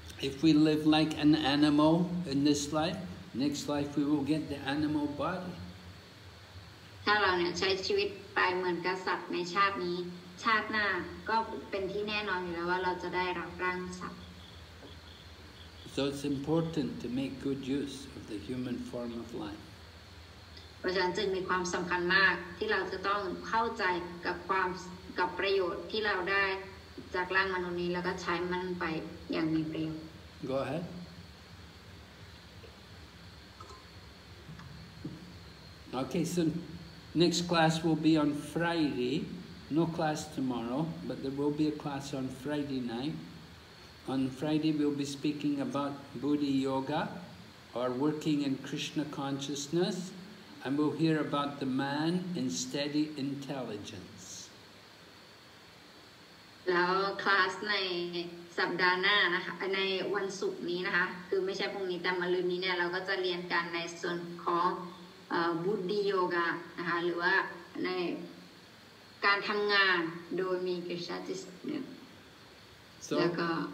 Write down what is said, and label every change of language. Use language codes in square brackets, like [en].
[en] If we live like an animal in this life, next life we will get the animal body. [th] ถ้าเราเนี่ยใช้ชีวิตไปเหมือนกับสัตว์ในชาตินี้ชาติหน้าก็เป็นที่แน่นอนอยู่แล้วว่าเราจะได้รับร่างสัตว์ [en] So it's important to make good use of the human form of life. [th] เพราะฉะนั้นจึงมีความสำคัญมากที่เราจะต้องเข้าใจกับประโยชน์ที่เราได้จากร่างมนุษย์นี้แล้วก็ใช้มันไปอย่างมีประโยชน์ [en] Go ahead. Okay, so next class will be on Friday. No class tomorrow, but there will be a class on Friday night. On Friday, we'll be speaking about Bodhi Yoga, or working in Krishna consciousness, and we'll hear about the man in steady intelligence. [th] แล้วคลาสในสัปดาห์หน้านะคะในวันศุกร์นี้นะคะคือไม่ใช่พรุ่งนี้แต่มะรืนนี้เนี่ยเราก็จะเรียนกันในส่วนของบุดดีโยกะนะคะหรือว่าในการทำงานโดยมีกิจจิสเนี่ยแล้วก็